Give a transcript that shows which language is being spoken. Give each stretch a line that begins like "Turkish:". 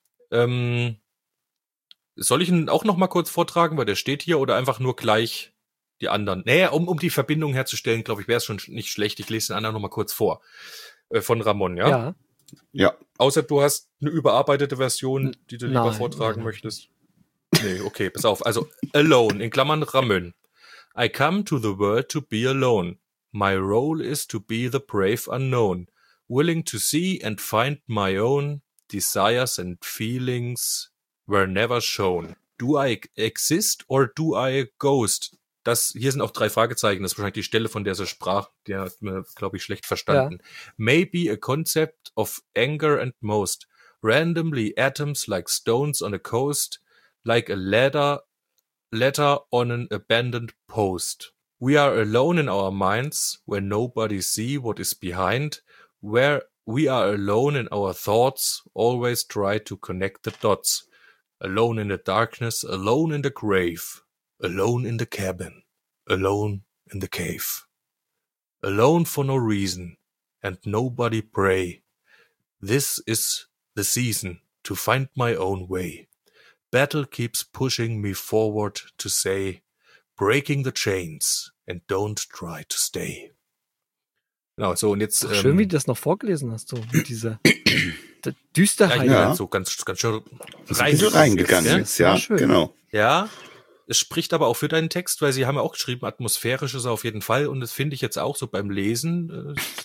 German: Soll ich ihn auch noch mal kurz vortragen, weil der steht hier, oder einfach nur gleich die anderen? Naja, um die Verbindung herzustellen, glaube ich, wäre es schon nicht schlecht. Ich lese den anderen noch mal kurz vor. Von Ramon, ja? Ja. Ja. Außer du hast eine überarbeitete Version, die du lieber vortragen möchtest. Nee, okay, pass auf. Also Alone, in Klammern Ramon.
English: I come to the world to be alone. My role is to be the brave unknown, willing to see and find my own desires and feelings were never shown. Do I exist or do I ghost?
German: Hier sind auch drei Fragezeichen. Das ist wahrscheinlich die Stelle, von der sie sprach. Die hat mir, glaube ich, schlecht verstanden. Ja.
English: Maybe a concept of anger and most. Randomly atoms like stones on a coast, like a ladder. Letter on an abandoned post. We are alone in our minds, where nobody see what is behind. Where we are alone in our thoughts, always try to connect the dots. Alone in the darkness, alone in the grave. Alone in the cabin, alone in the cave. Alone for no reason, and nobody pray. This is the season to find my own way. Battle keeps pushing me forward to say, breaking the chains and don't try to stay.
German: Genau, so, und jetzt. Ach, schön, wie du das noch vorgelesen hast, so mit dieser Düsterheit. Ja. So ganz schön reingegangen jetzt, ja. Schön. Genau. Ja, es spricht aber auch für deinen Text, weil sie haben ja auch geschrieben, atmosphärisch ist er auf jeden Fall, und das finde ich jetzt auch so beim Lesen.